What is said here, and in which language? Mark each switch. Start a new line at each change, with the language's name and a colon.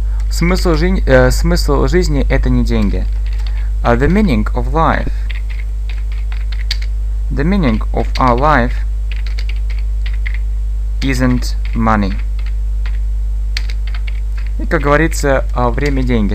Russian: Смысл жизни – это не деньги.
English: The meaning of life. The meaning of our life isn't money.
Russian: И, как говорится, время – деньги.